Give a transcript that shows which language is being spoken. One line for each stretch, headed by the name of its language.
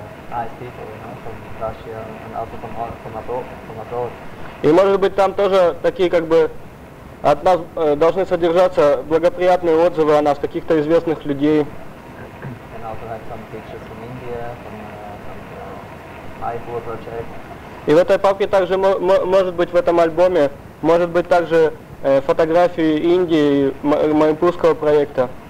English: nice people, you know, from Russia and also from abroad.
Russian: И может быть там тоже такие как бы от нас должны содержаться благоприятные отзывы о нас каких-то известных людей.
English: And also have some pictures from India, from iPhone project.
Russian: И в этой папке также может быть в этом альбоме может быть также фотографии Индии Майпурского проекта.